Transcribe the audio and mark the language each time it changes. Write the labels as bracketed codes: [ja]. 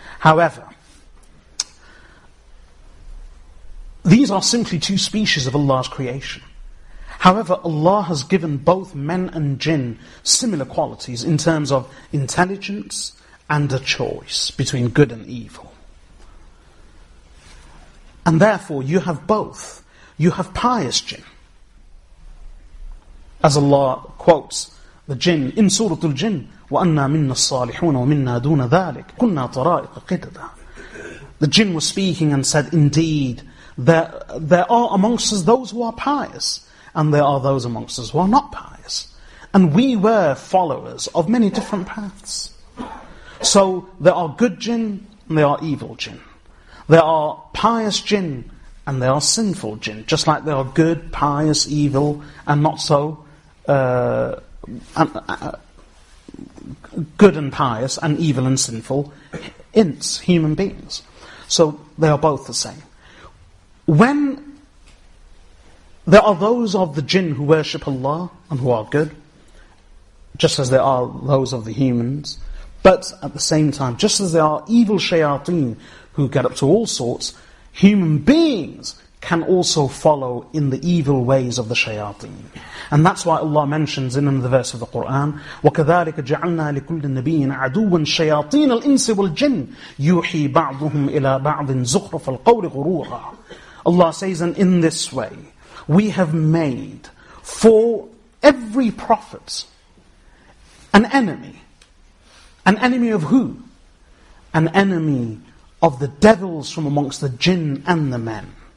[en] However, these are simply two species of Allah's creation. However, Allah has given both men and jinn similar qualities in terms of intelligence and a choice between good and evil. And therefore, you have both. You have pious jinn. As Allah quotes the jinn in Surah Al-Jinn, [ar] وَأَنَّا مِنَّا الصَّالِحُونَ وَمِنَّا دُونَ ذَلِكَ كُنَّا طَرَائِقَ قِدَدًا. [en] The jinn was speaking and said, indeed, there are amongst us those who are pious, and there are those amongst us who are not pious. And we were followers of many different paths. So there are good jinn, and there are evil jinn. There are pious jinn and there are sinful jinn. Just like there are good, pious, evil, and not so good and pious, and evil and sinful ints, human beings. So they are both the same. When there are those of the jinn who worship Allah and who are good, just as there are those of the humans, but at the same time, just as there are evil shayateen who get up to all sorts, human beings can also follow in the evil ways of the shayateen. And that's why Allah mentions in another verse of the Qur'an, [ar] وَكَذَلِكَ جَعَلْنَا لِكُلِّ النَّبِيِّنَ عَدُوًا شَيَاطِينَ الْإِنسِ وَالْجِنِّ يُوحِي بَعْضُهُمْ إِلَىٰ بَعْضٍ زُخْرَفَ الْقَوْلِ غُرُورًا. [en] Allah says, and in this way, we have made for every prophet an enemy. An enemy of who? An enemy of the devils from amongst the jinn and the men.